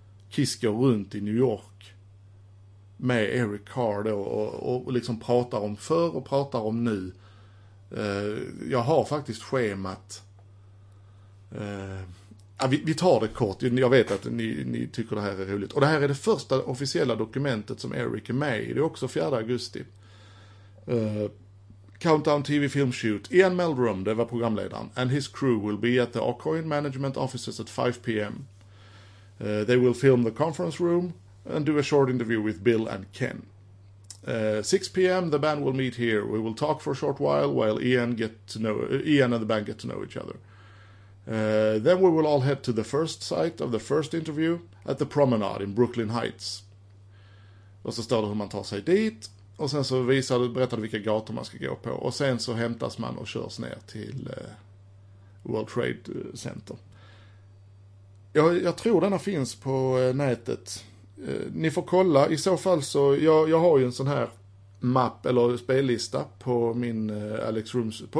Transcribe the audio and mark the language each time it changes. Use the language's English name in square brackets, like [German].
[Swedish] Kiss går runt i New York med Eric Carr då och liksom pratar om förr och pratar om nu. Jag har faktiskt schemat... Vi tar det kort, jag vet att ni tycker det här är roligt. Och det här är det första officiella dokumentet som Eric är med i. Det är också 4 augusti. [English] Countdown TV film shoot. Ian Meldrum, [Swedish] det var programledaren, [English] and his crew will be at the Arcoin management offices at 5 p.m. They will film the conference room and do a short interview with Bill and Ken. 6 p.m. the band will meet here. We will talk for a short while Ian and the band get to know each other. Then we will all head to the first site of the first interview at the promenade in Brooklyn Heights. [Swedish] Och så står det hur man tar sig dit. Och sen så visar det, berättar det vilka gator man ska gå på. Och sen så hämtas man och körs ner till World Trade Center. Jag tror denna finns på nätet. Ni får kolla. I så fall så, jag har ju en sån här mapp eller spellista på min Alex Rooms.